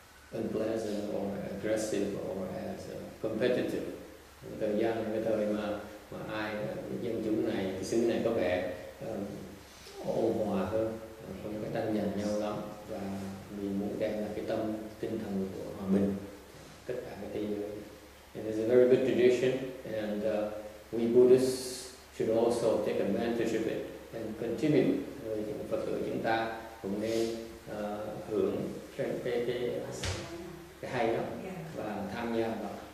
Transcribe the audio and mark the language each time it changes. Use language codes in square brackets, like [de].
[en] They're not as unpleasant or aggressive or as competitive. [vi] Thời gian cái thời mà ai dân chúng này xứ này có vẻ ôn hòa hơn, không có tranh giành nhau lắm, và mình muốn đem là cái tâm tinh thần của hòa bình tất cả cái thế giới. [en] And it's a very good tradition, and we Buddhists should also take advantage of it and continue. [vi] Những Phật tử chúng ta cũng nên hưởng cái hay đó và tham gia vào.